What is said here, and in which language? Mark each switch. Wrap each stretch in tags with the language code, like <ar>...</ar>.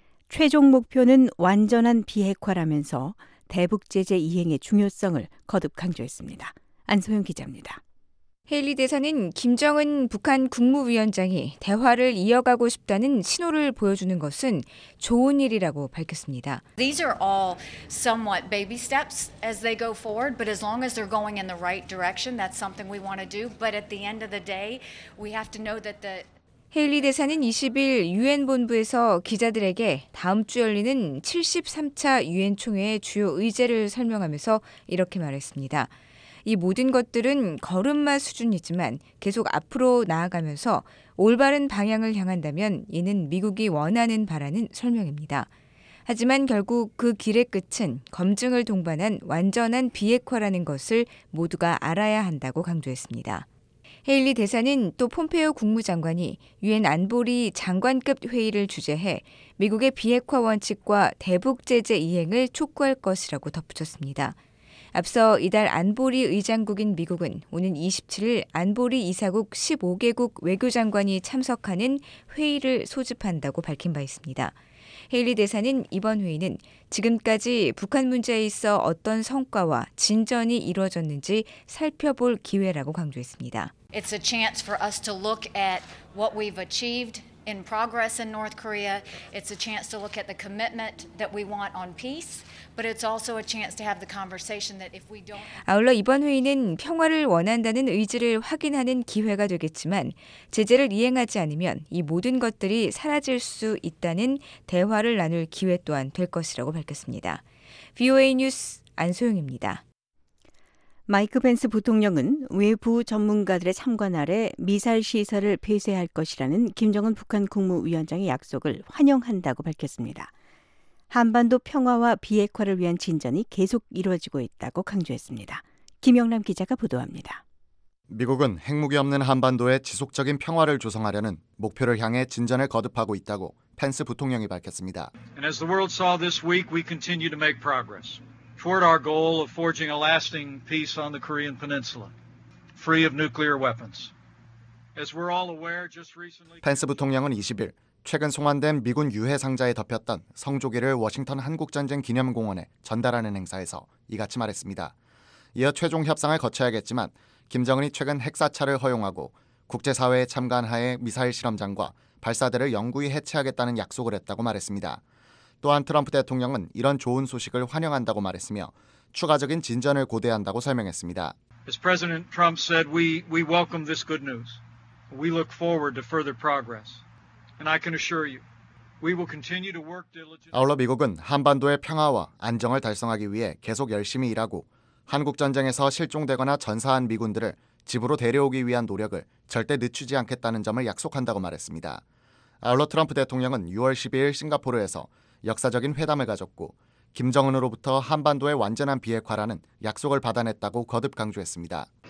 <ko>최종 목표는 완전한 비핵화라면서 대북 제재 이행의 중요성을 거듭 강조했습니다. 안소영 기자입니다. 헤일리 대사는 김정은 북한 국무위원장이 대화를 이어가고 싶다는 신호를 보여주는 것은 좋은 일이라고 밝혔습니다.</ko> <en>These are all somewhat baby steps as they go forward, but as long as they're going in the right direction, that's something we want to do. But at the end of the day, we have to know that the</en> <ko>헤일리 대사는 20일 유엔 본부에서 기자들에게 다음 주 열리는 73차 유엔 총회의 주요 의제를 설명하면서 이렇게 말했습니다. 이 모든 것들은 걸음마 수준이지만 계속 앞으로 나아가면서 올바른 방향을 향한다면 이는 미국이 원하는 바라는 설명입니다. 하지만 결국 그 길의 끝은 검증을 동반한 완전한 비핵화라는 것을 모두가 알아야 한다고 강조했습니다. 헤일리 대사는 또 폼페오 국무장관이 유엔 안보리 장관급 회의를 주재해 미국의 비핵화 원칙과 대북 제재 이행을 촉구할 것이라고 덧붙였습니다. 앞서 이달 안보리 의장국인 미국은 오는 27일 안보리 이사국 15개국 외교장관이 참석하는 회의를 소집한다고 밝힌 바 있습니다. 헤일리 대사는 이번 회의는 지금까지 북한 문제에 있어 어떤 성과와 진전이 이루어졌는지 살펴볼 기회라고 강조했습니다.</ko> <en>It's a chance for us to look at what we've achieved in progress in North Korea. It's a chance to look at the commitment that we want on peace, but it's also a chance to have the conversation that if we don't</en> <ko>아울러 이번 회의는 평화를 원한다는 의지를 확인하는 기회가 되겠지만 제재를 이행하지 않으면 이 모든 것들이 사라질 수 있다는 대화를 나눌 기회 또한 될 것이라고 밝혔습니다. VOA 뉴스 안소영입니다. 마이크 펜스 부통령은 외부 전문가들의 참관 아래 미사일 시설을 폐쇄할 것이라는 김정은 북한 국무위원장의 약속을 환영한다고 밝혔습니다. 한반도 평화와 비핵화를 위한 진전이 계속 이루어지고 있다고 강조했습니다. 김영남 기자가 보도합니다. 미국은 핵무기 없는 한반도의 지속적인 평화를 조성하려는 목표를 향해 진전을 거듭하고 있다고 펜스 부통령이 밝혔습니다.</ko> <en>And as the world saw this week, we continue to make progress. toward our goal of forging a lasting peace on the Korean Peninsula, free of nuclear weapons. As we're all aware, just recently,</en> <ko>펜스 부통령은 20일 최근 송환된 미군 유해 상자에 덮였던 성조기를 워싱턴 한국전쟁 기념공원에 전달하는 행사에서 이같이 말했습니다. 이어 최종 협상을 거쳐야겠지만 김정은이 최근 핵사찰을 허용하고 국제사회에 참관 하에 미사일 실험장과 발사대를 영구히 해체하겠다는 약속을 했다고 말했습니다. 또한 트럼프 대통령은 이런 좋은 소식을 환영한다고 말했으며 추가적인 진전을 고대한다고 설명했습니다.</ko> <en>As President Trump said, we welcome this good news. We look forward to further progress. And I can assure you, we will continue to work diligently.</en> <ko>아울러 미국은 한반도의 평화와 안정을 달성하기 위해 계속 열심히 일하고 한국 전쟁에서 실종되거나 전사한 미군들을 집으로 데려오기 위한 노력을 절대 늦추지 않겠다는 점을 약속한다고 말했습니다. 아울러 트럼프 대통령은 6월 12일 싱가포르에서 역사적인 회담을 가졌고 김정은으로부터 한반도의 완전한 비핵화라는 약속을 받아냈다고 거듭 강조했습니다.</ko>